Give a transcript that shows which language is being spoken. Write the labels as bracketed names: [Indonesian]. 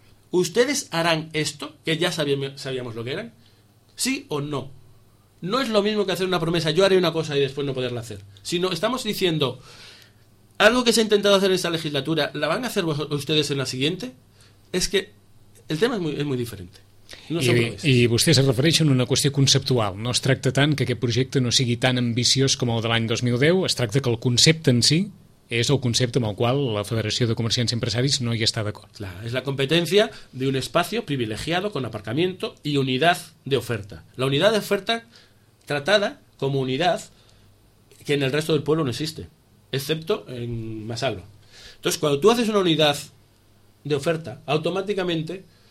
[Spanish] ¿Ustedes harán esto, que ya sabíamos lo que eran? ¿Sí o no? No es lo mismo que hacer una promesa, yo haré una cosa y después no poderla hacer. Sino estamos diciendo, algo que se ha intentado hacer en esta legislatura, ¿la van a hacer ustedes en la siguiente? Es que el tema es muy diferente. [Catalan] I vostè es refereix a una qüestió conceptual. No es tracta tant que aquest projecte no sigui tan ambiciós com el de l'any 2010, es tracta que el concepte en si és el concepte amb el qual la Federació de Comerciants i Empresaris no hi està d'acord. [Spanish] Claro, es la competencia de un espacio privilegiado con aparcamiento y unidad de oferta. La unidad de oferta tratada como unidad que en el resto del pueblo no existe, excepto en Masalvo. Entonces, cuando tú haces una unidad de oferta, automáticamente...